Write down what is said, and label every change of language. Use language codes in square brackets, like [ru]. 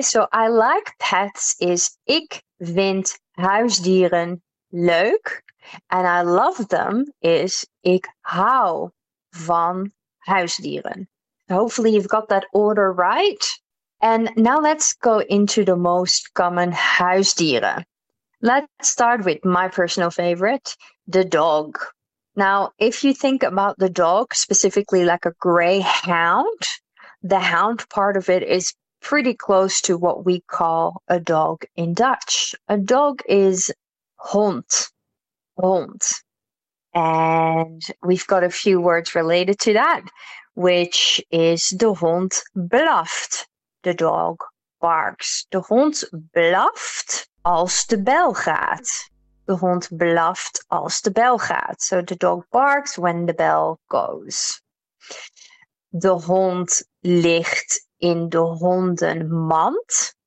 [en] So I like pets [nl] is ik vind huisdieren leuk. [en] And I love them [nl] is ik hou van huisdieren. [en] Hopefully you've got that order right. And now let's go into the most common huisdieren. Let's start with my personal favorite, the dog. Now, if you think about the dog specifically like a greyhound, the hound part of it is pretty close to what we call a dog in Dutch. A dog is hond. Hond. And we've got a few words related to that, which is [nl] de hond blaft. [en] The dog barks. [nl] De hond blaft als de bel gaat. De hond blaft als de bel gaat. [en] So the dog barks when the bell goes. [nl] De hond ligt in de hondenmand.